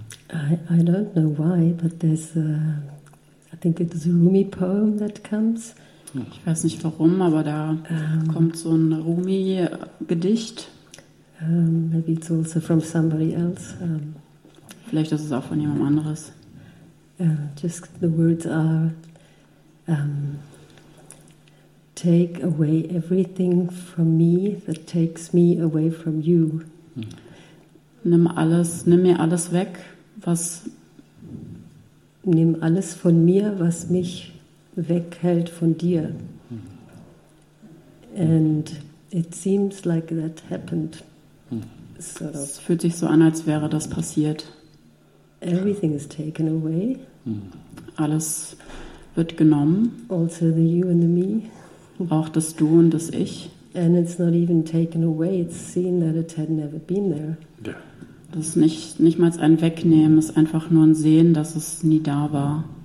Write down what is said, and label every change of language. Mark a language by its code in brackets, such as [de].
[en] I don't know why, but there's a, I think it's a Rumi poem that comes. [de] Ich weiß nicht warum, aber da kommt so ein Rumi-Gedicht. [en] Maybe it's also from somebody else. [de] Vielleicht ist es auch von jemand anderes. [en] Just the words are take away everything from me that takes me away from you. [de] Nimm alles von mir, was mich weghält von dir. [en] And it seems like that happened. Sort of. [de] Es fühlt sich so an, als wäre das passiert. [en] Everything is taken away. [de] Alles wird genommen. [en] Also the you and the me. [de] Auch das Du und das Ich. [en] And it's not even taken away. It's seen that it had never been there. Yeah. [de] Das ist nicht mal ein Wegnehmen, es ist einfach nur ein Sehen, dass es nie da war.